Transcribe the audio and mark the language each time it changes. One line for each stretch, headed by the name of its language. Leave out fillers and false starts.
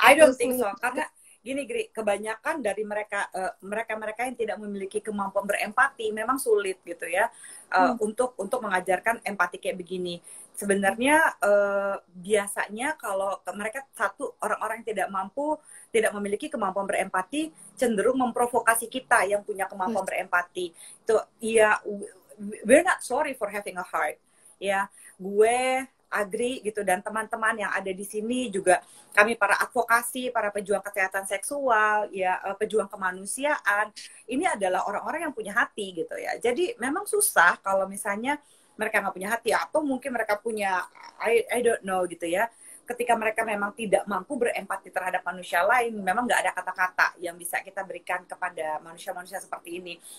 English: I don't think so,
Indonesian: karena gini, Gri, kebanyakan dari mereka, mereka-mereka yang tidak memiliki kemampuan berempati, memang sulit gitu ya, untuk mengajarkan empati kayak begini. Sebenarnya biasanya kalau mereka, satu, orang-orang yang tidak mampu, tidak memiliki kemampuan berempati, cenderung memprovokasi kita yang punya kemampuan berempati. Itu, ya,
English: we're not sorry for having a heart.
Indonesian: Ya, gue agree gitu, dan teman-teman yang ada di sini juga, kami para advokasi, para pejuang kesehatan seksual, ya, pejuang kemanusiaan, ini adalah orang-orang yang punya hati gitu ya. Jadi memang susah kalau misalnya mereka nggak punya hati, atau mungkin mereka punya,
English: I don't know
Indonesian: gitu ya, ketika mereka memang tidak mampu berempati terhadap manusia lain, memang nggak ada kata-kata yang bisa kita berikan kepada manusia-manusia seperti ini.